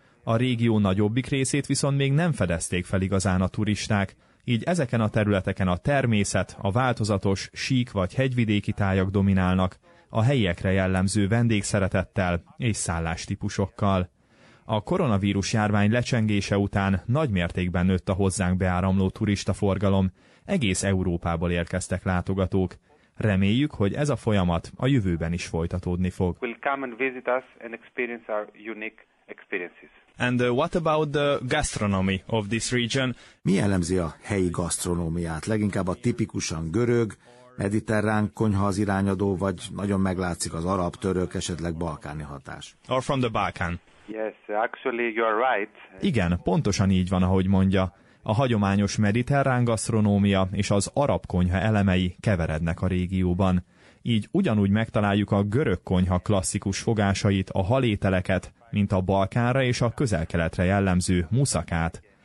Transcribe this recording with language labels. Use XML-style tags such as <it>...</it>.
<hu>A régió nagyobbik részét viszont még nem fedezték fel igazán a turisták, így ezeken a területeken a természet, a változatos, sík vagy hegyvidéki tájak dominálnak, a helyiekre jellemző vendégszeretettel és szállástípusokkal. A koronavírus járvány lecsengése után nagy mértékben nőtt a hozzánk beáramló turistaforgalom, egész Európából érkeztek látogatók. Reméljük, hogy ez a folyamat a jövőben is folytatódni fog.</hu> <en>Will come and visit us and experience our unique experiences. And what about the gastronomy of this region?</en> <hu>Mi jellemzi a helyi gasztronómiát? Leginkább a tipikusan görög, mediterrán konyha az irányadó, vagy nagyon meglátszik az arab, török, esetleg balkáni hatás?</hu> <en>Or from the Balkan? Yes, actually you are right.</en> <hu>Igen, pontosan így van, ahogy mondja. A hagyományos mediterrán gasztronómia és az arab konyha elemei keverednek a régióban. Így ugyanúgy megtaláljuk a görög konyha klasszikus fogásait, a halételeket, mint a Balkánra és a Közel-Keletre jellemző muszakát.</hu>